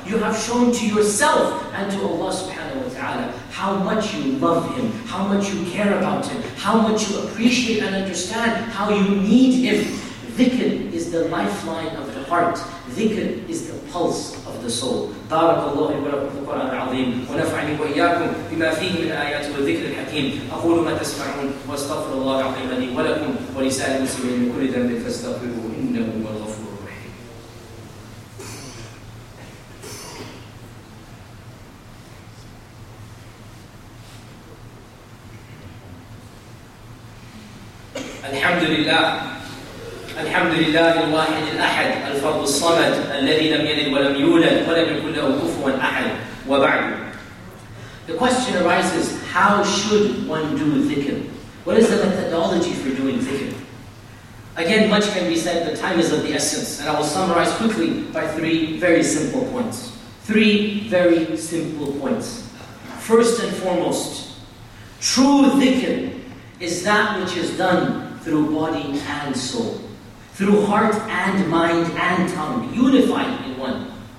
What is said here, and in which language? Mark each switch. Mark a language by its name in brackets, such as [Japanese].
[English] You have shown to yourself and to Allah subhanahu wa ta'ala how much you love Him, how much you care about Him, how much you appreciate and understand how you need Him. Dhikr is the lifeline of the heart. Dhikr is the pulse of the soul. [Arabic] بارك الله ولكم في القرآن العظيم ونفعني وإياكم بما فيه من آيات وذكر الحكيم أقول ما تسمعون واستغفر الله العظيم لي ولكم ولسائر المسلمين من كل ذنب فاستغفروه إنه هو الغفور الرحيم. الحمد لله الحمد لله الواحد الأحد الفرد الصمد الذي لم يلد ولم يولد ولم يكن له كفوا أحد وبعد. [English] The question arises, how should one do dhikr? What is the methodology for doing dhikr? Again, much can be said, but time is of the essence. And I will summarize quickly by three very simple points. Three very simple points. First and foremost, true dhikr is that which is done through body and soul, through heart and mind and tongue, unified in one.